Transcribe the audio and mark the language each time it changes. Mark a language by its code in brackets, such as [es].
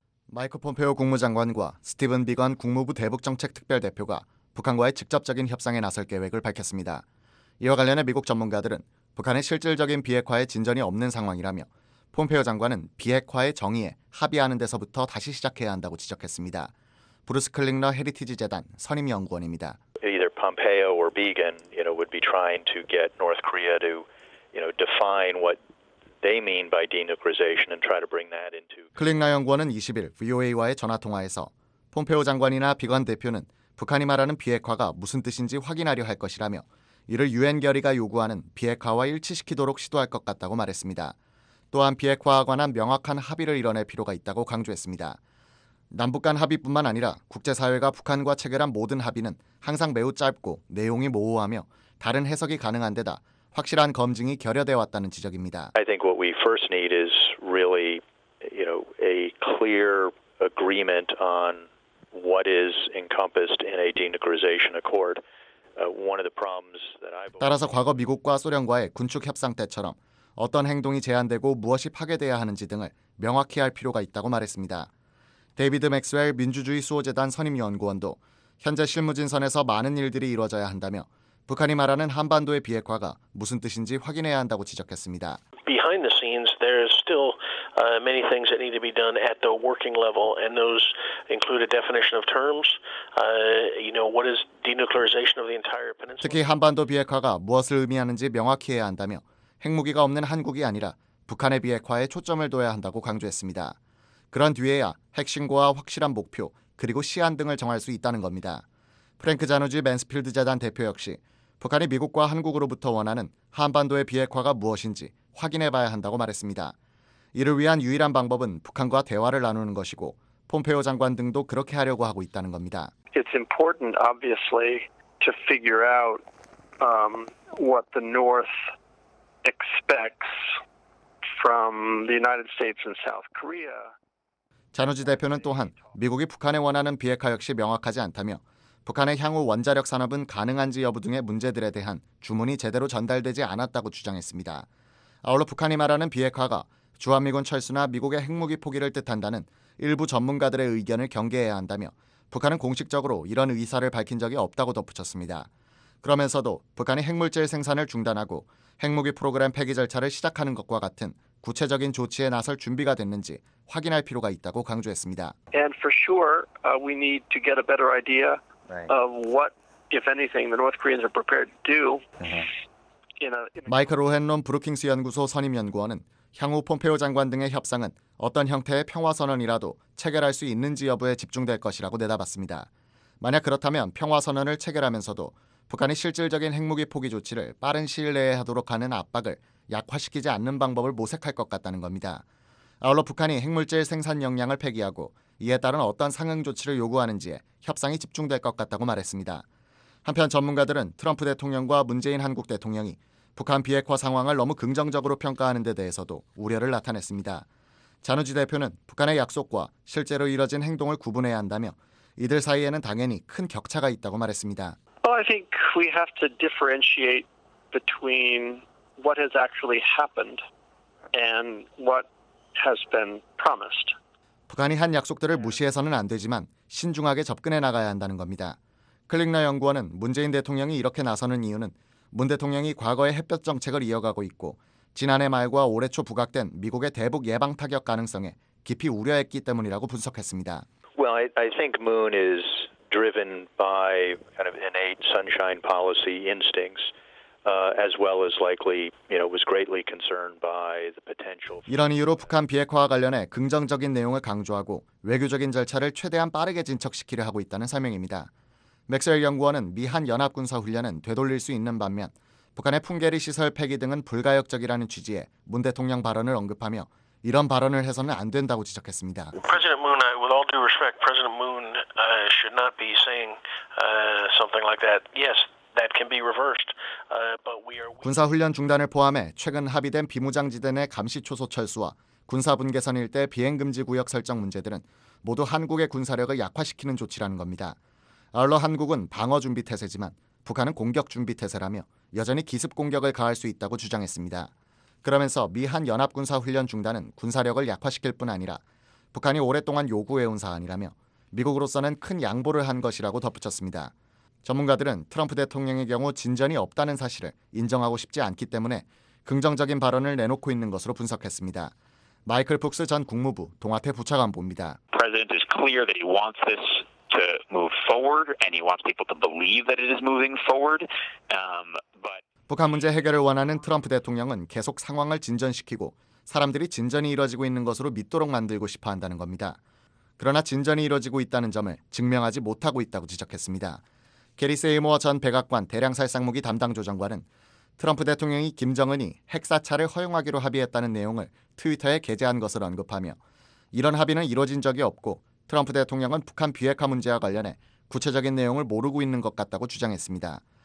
[ko] 마이크 폼페오 국무장관과 스티븐 비건 국무부 대북정책특별대표가 북한과의 직접적인 협상에 나설 계획을 밝혔습니다. 이와 관련해 미국 전문가들은 북한의 실질적인 비핵화에 진전이 없는 상황이라며 폼페오 장관은 비핵화의 정의에 합의하는 데서부터 다시 시작해야 한다고 지적했습니다. 브루스 클링러 헤리티지 재단 선임연구원입니다. [en] Either Pompeo or Biegun, you know, would be trying to get North Korea to, you know, define what they mean by denuclearization and try to bring that into. [ko] 클링러 연구원은 20일 VOA와의 전화 통화에서 폼페오 장관이나 비건 대표는 북한이 말하는 비핵화가 무슨 뜻인지 확인하려 할 것이라며 이를 유엔 결의가 요구하는 비핵화와 일치시키도록 시도할 것 같다고 말했습니다. 또한 비핵화와 관한 명확한 합의를 이뤄낼 필요가 있다고 강조했습니다. 남북 간 합의뿐만 아니라 국제사회가 북한과 체결한 모든 합의는 항상 매우 짧고 내용이 모호하며 다른 해석이 가능한 데다 확실한 검증이 결여되어 왔다는 지적입니다. [en] I think what we first need is really, you know, a clear agreement on what is encompassed in a denuclearization accord. One of the problems that I've [ko] 따라서 과거 미국과 소련과의 군축 협상 때처럼 어떤 행동이 제한되고 무엇이 파괴되어야 하는지 등을 명확히 할 필요가 있다고 말했습니다. 데이비드 맥스웰 민주주의 수호재단 선임연구원도 현재 실무진선에서 많은 일들이 이루어져야 한다며 북한이 말하는 한반도의 비핵화가 무슨 뜻인지 확인해야 한다고 지적했습니다. [en] Behind the scenes, there is still many things that need to be done at the working level, and those include a definition of terms. You know, what is denuclearization of the entire peninsula? [ko] 특히 한반도 비핵화가 무엇을 의미하는지 명확히 해야 한다며 핵무기가 없는 한국이 아니라 북한의 비핵화에 초점을 둬야 한다고 강조했습니다. 그런 뒤에야 핵심과 확실한 목표 그리고 시한 등을 정할 수 있다는 겁니다. 프랭크 자누지 맨스필드 재단 대표 역시 북한이 미국과 한국으로부터 원하는 한반도의 비핵화가 무엇인지 확인해봐야 한다고 말했습니다. 이를 위한 유일한 방법은 북한과 대화를 나누는 것이고 폼페오 장관 등도 그렇게 하려고 하고 있다는 겁니다. [en] It's important, obviously, to figure out what the North expects from the United States and South Korea. [ko] 자누지 대표는 또한 미국이 북한에 원하는 비핵화 역시 명확하지 않다며 북한의 향후 원자력 산업은 가능한지 여부 등의 문제들에 대한 주문이 제대로 전달되지 않았다고 주장했습니다. 아울러 북한이 말하는 비핵화가 주한미군 철수나 미국의 핵무기 포기를 뜻한다는 일부 전문가들의 의견을 경계해야 한다며 북한은 공식적으로 이런 의사를 밝힌 적이 없다고 덧붙였습니다. 그러면서도 북한이 핵물질 생산을 중단하고 핵무기 프로그램 폐기 절차를 시작하는 것과 같은 구체적인 조치에 나설 준비가 됐는지 확인할 필요가 있다고 강조했습니다. [en] And for sure, we need to get a better idea of what, if anything, the North Koreans are prepared to do. [ko] 마이클 로헨론 브루킹스 연구소 선임 연구원은 향후 폼페오 장관 등의 협상은 어떤 형태의 평화 선언이라도 체결할 수 있는지 여부에 집중될 것이라고 내다봤습니다. 만약 그렇다면 평화 선언을 체결하면서도 북한이 실질적인 핵무기 포기 조치를 빠른 시일 내에 하도록 하는 압박을 약화시키지 않는 방법을 모색할 것 같다는 겁니다. 아울러 북한이 핵물질 생산 역량을 폐기하고 이에 따른 어떤 상응 조치를 요구하는지에 협상이 집중될 것 같다고 말했습니다. 한편 전문가들은 트럼프 대통령과 문재인 한국 대통령이 북한 비핵화 상황을 너무 긍정적으로 평가하는 데 대해서도 우려를 나타냈습니다. 자누지 대표는 북한의 약속과 실제로 이뤄진 행동을 구분해야 한다며 이들 사이에는 당연히 큰 격차가 있다고 말했습니다. [en] Well, I think we have to differentiate between what has actually happened and what has been promised. [ko] 북한이 한 약속들을 무시해서는 안 되지만 신중하게 접근해 나가야 한다는 겁니다. 클링러 연구원은 문재인 대통령이 이렇게 나서는 이유는 문 대통령이 과거의 햇볕 정책을 이어가고 있고 지난해 말과 올해 초 부각된 미국의 대북 예방 타격 가능성에 깊이 우려했기 때문이라고 분석했습니다. [en] Well, I think Moon is driven by kind of innate sunshine policy instincts. As well as likely, you know, was greatly concerned by the potential. [ko] 이런 이유로 북한 비핵화와 관련해 긍정적인 내용을 강조하고 외교적인 절차를 최대한 빠르게 진척시키려 하고 있다는 설명입니다. 맥스웰 연구원은 미한 연합군사 훈련은 되돌릴 수 있는 반면 북한의 풍계리 시설 폐기 등은 불가역적이라는 취지의 문 대통령 발언을 언급하며 이런 발언을 해서는 안 된다고 지적했습니다. [en] President Moon, with all due respect, President Moon should not be saying something like that. Yes. That can be reversed. But we are. [ko] 군사 훈련 중단을 포함해 최근 합의된 비무장지대 내 감시 초소 철수와 군사 분계선 일대 비행 금지 구역 설정 문제들은 모두 한국의 군사력을 약화시키는 조치라는 겁니다. 아울러 한국은 방어 준비 태세지만 북한은 공격 준비 태세라며 여전히 기습 공격을 가할 수 있다고 주장했습니다. 그러면서 미한 연합 군사 훈련 중단은 군사력을 약화시킬 뿐 아니라 북한이 오랫동안 요구해온 사안이라며 미국으로서는 큰 양보를 한 것이라고 덧붙였습니다. 전문가들은 트럼프 대통령의 경우 진전이 없다는 사실을 인정하고 싶지 않기 때문에 긍정적인 발언을 내놓고 있는 것으로 분석했습니다. 마이클 푹스 전 국무부 동아태 부차관보입니다. [en] President is clear that he wants this to move forward and he wants people to believe that it is moving forward. But [ko] 북한 문제 해결을 원하는 트럼프 대통령은 계속 상황을 진전시키고 사람들이 진전이 이루어지고 있는 것으로 믿도록 만들고 싶어 한다는 겁니다. 그러나 진전이 이루어지고 있다는 점을 증명하지 못하고 있다고 지적했습니다. 게리 세이모어 전 백악관 대량살상무기 담당 조정관은 트럼프 대통령이 김정은이 핵사찰을 허용하기로 합의했다는 내용을 트위터에 게재한 것을 언급하며 이런 합의는 이루어진 적이 없고 트럼프 대통령은 북한 비핵화 문제와 관련해 구체적인 내용을 모르고 있는 것 같다고 주장했습니다.